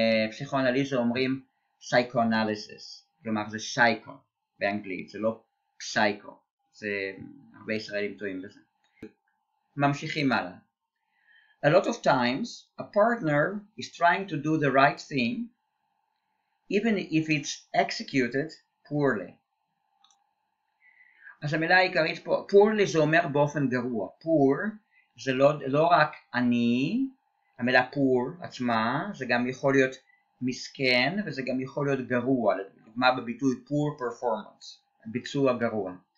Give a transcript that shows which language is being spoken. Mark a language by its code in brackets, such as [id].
[he] פסיכואנליזה אומרים psychoanalysis, כלומר זה psycho באנגלית, זה לא psycho, זה הרבה ישראלים טועים בזה. ממשיכים הלאה. [en] A lot of times a partner is trying to do the right thing even if it's executed poorly. [he] אז המילה העיקרית פה, poorly זה אומר באופן גרוע. Poor זה לא רק אני, המילה poor עצמה, זה גם יכול להיות מסכן וזה גם יכול להיות גרוע, לדוגמה בביטוי poor performance, ביצוע גרוע.